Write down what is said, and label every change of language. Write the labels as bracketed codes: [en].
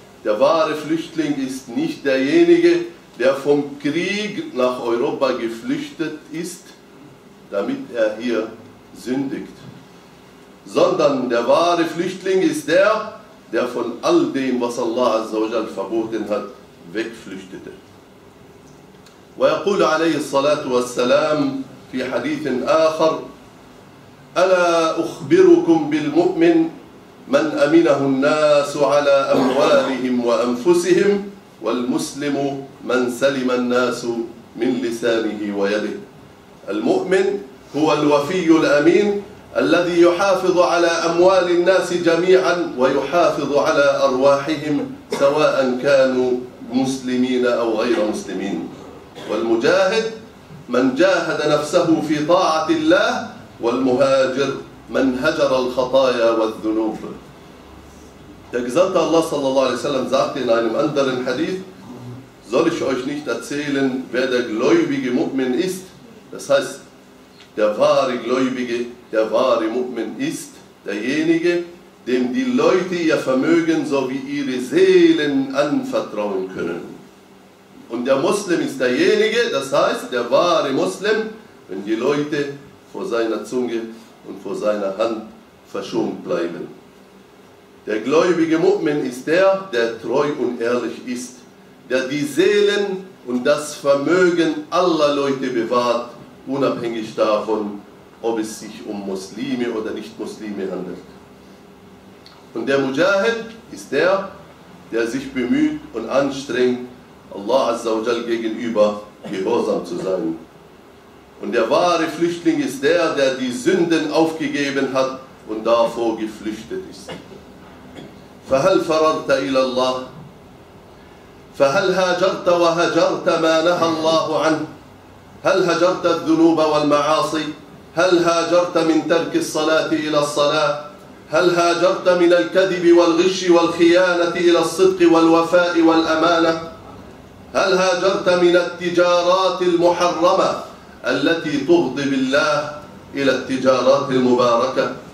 [de] Der wahre Flüchtling ist nicht derjenige, der vom Krieg nach Europa geflüchtet ist, damit er hier sündigt. Sondern der wahre Flüchtling ist der, der von all dem, was Allah Azza wa Jal verboten hat, wegflüchtete. [ar] Wa yaqulu alayhi salatu wassalam fi hadithin akhar, ala ukhbirukum bil mu'min, من أمنه الناس على أموالهم وأنفسهم والمسلم من سلم الناس من لسانه ويده المؤمن هو الوفي الأمين الذي يحافظ على أموال الناس جميعا ويحافظ على أرواحهم سواء كانوا مسلمين أو غير مسلمين والمجاهد من جاهد نفسه في طاعة الله والمهاجر من هجر الخطايا والذنوب [de] Der Gesandte Allah sallallahu alaihi wasallam sagte in einem anderen Hadith, soll ich euch nicht erzählen, wer der gläubige Mu'min ist? Das heißt, der wahre Gläubige, der wahre Mu'min ist derjenige, dem die Leute ihr Vermögen sowie ihre Seelen anvertrauen können. Und der Muslim ist derjenige, das heißt, der wahre Muslim, wenn die Leute vor seiner Zunge und vor seiner Hand verschont bleiben. Der gläubige Mu'min ist der, der treu und ehrlich ist, der die Seelen und das Vermögen aller Leute bewahrt, unabhängig davon, ob es sich um Muslime oder Nicht-Muslime handelt. Und der Mujahid ist der, der sich bemüht und anstrengt, Allah Azza wa Jal gegenüber gehorsam zu sein. Und der wahre Flüchtling ist der, der die Sünden aufgegeben hat und davor geflüchtet ist. [ar] فهل فررت إلى الله؟ فهل هاجرت وهجرت ما نهى الله عنه؟ هل هجرت الذنوب والمعاصي؟ هل هاجرت من ترك الصلاة إلى الصلاة؟ هل هاجرت من الكذب والغش والخيانة إلى الصدق والوفاء والأمانة؟ هل هاجرت من التجارات المحرمة التي تغضب الله إلى التجارات المباركة؟